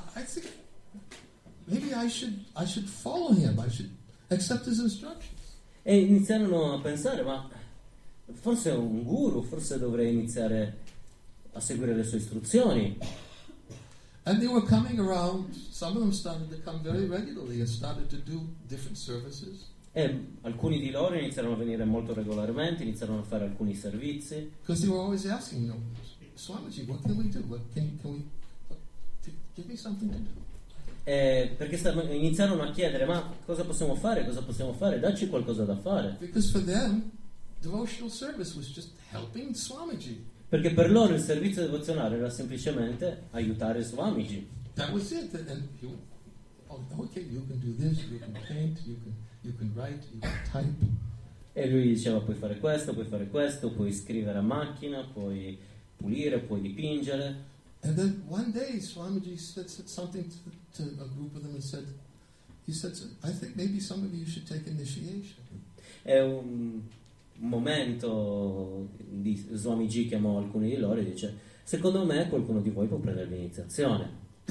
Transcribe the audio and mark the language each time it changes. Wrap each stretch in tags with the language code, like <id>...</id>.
<en>I think maybe I should follow him. I should accept his instructions.</en> <it>E iniziarono a pensare, ma forse è un guru, forse dovrei iniziare a seguire le sue istruzioni.</it> <en>And they were coming around, some of them started to come very regularly and started to do different services.</en> <it>E alcuni di loro iniziarono a venire molto regolarmente, iniziarono a fare alcuni servizi.</it> <en>Because they were always asking, you know, Swamiji, what can we do? Can we give me something to do?</en> <it>Perché iniziarono a chiedere, ma cosa possiamo fare? Cosa possiamo fare? Dacci qualcosa da fare.</it> <en>Because for them, devotional service was just helping Swamiji.</en> <it>Perché per loro il servizio devozionale era semplicemente aiutare Swamiji.</it> <en>That was it. And you, oh, okay, you can do this, you can paint, you can write, you can type.</en> <it>E lui diceva, puoi fare questo, puoi fare questo, puoi scrivere a macchina, puoi pulire, puoi dipingere.</it> <en>And then one day Swamiji said something to a group of them and said, he said, I think maybe some of you should take initiation.</en> <it>È un momento di Swamiji chiamò alcuni di loro e dice, secondo me qualcuno di voi può prendere l'iniziazione.</it>